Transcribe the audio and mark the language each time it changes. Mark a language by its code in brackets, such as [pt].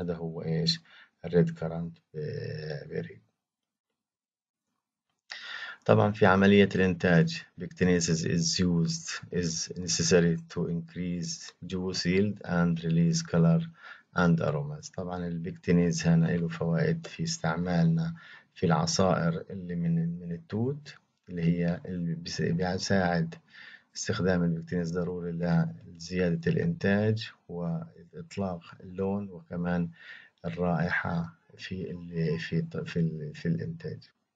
[ar] هذا هو إيش الريد كارنت بيري. طبعا في عملية الإنتاج بكتينيسيس [en] is necessary to increase juice yield and release color and aromas. [ar] طبعا البكتينيز هنا له فوائد في استعمالنا في العصائر اللي من التوت، اللي هي اللي بيساعد استخدام البكتينيز ضروري لزيادة الإنتاج وإطلاق اللون وكمان الرائحة في الإنتاج.